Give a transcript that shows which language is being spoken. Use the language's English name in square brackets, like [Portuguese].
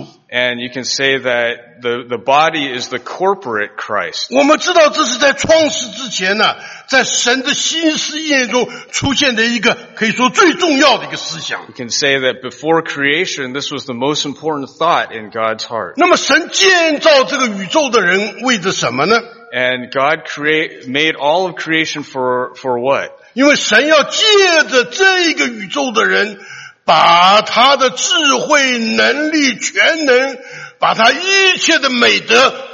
[English] and you can say that the body is the corporate Christ. [Chinese] 我们知道这是在创世之前呢, 在神的心思意念中出现的一个可以说最重要的一个思想。 [English] You can say that before creation, this was the most important thought in God's heart. [Chinese] 那么神建造这个宇宙的人为着什么呢? [English] And God made all of creation for what? [Chinese] 因为神要借着这个宇宙的人, 把他的智慧能力, 全能, 把他一切的美德,